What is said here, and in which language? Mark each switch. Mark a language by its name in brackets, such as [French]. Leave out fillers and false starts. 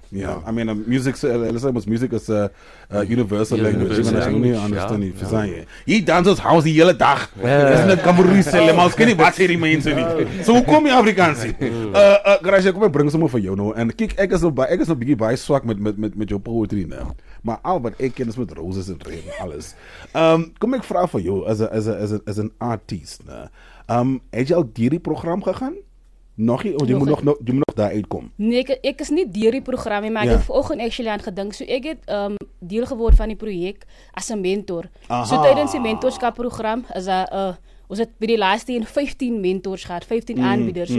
[English] Ja. I mean, music is a universal language. You know, I understand it. Fizanye. He dances house [Afrikaans] die hele dag. Dis net Kamerunese, maar skien nie wat sê die mense nie. So hoekom die Afrikaans? Grasie, kom ek bring sommer vir jou nou. En kyk, ek is 'n bietjie baie swak met jou poetry nou. Maar al wat ek ken is met roses en reën en alles. Kom ek vra vir jou as 'n artiest, nè. Het jy al deur die program gegaan? Nog nie? Jy moet nog daar uitkom? Nee, ek is nie deur die program nie, maar ek het vanoggend actually aan gedink. So ek het deel geword van die projek as 'n mentor. Aha. So tydens die mentorskap program is daar, ons het by die laaste 15 mentors gehad, 15 aanbieders.